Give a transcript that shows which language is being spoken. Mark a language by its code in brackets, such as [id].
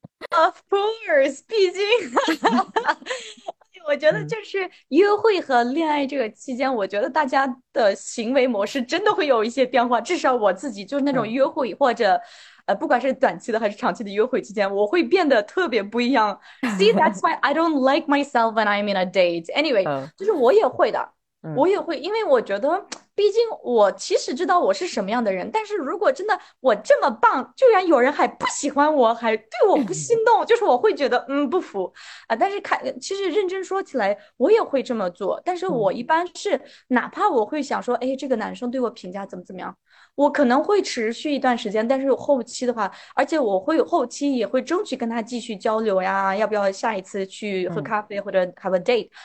[en] Of course， [zh] 毕竟我觉得就是约会和恋爱这个期间，我觉得大家的行为模式真的会有一些变化。至少我自己就是那种约会或者不管是短期的还是长期的约会期间，我会变得特别不一样。 [en] See, that's why I don't like myself when I'm in a date. Anyway, [zh] 就是我也会的，我也会，因为我觉得毕竟我其实知道我是什么样的人，但是如果真的我这么棒，居然有人还不喜欢我，还对我不心动，就是我会觉得不服啊。但是其实认真说起来，我也会这么做，但是我一般是哪怕我会想说，哎，这个男生对我评价怎么怎么样，我可能会持续一段时间，但是后期的话，而且我会后期也会争取跟他继续交流呀，要不要下一次去喝咖啡或者 [en] have a date。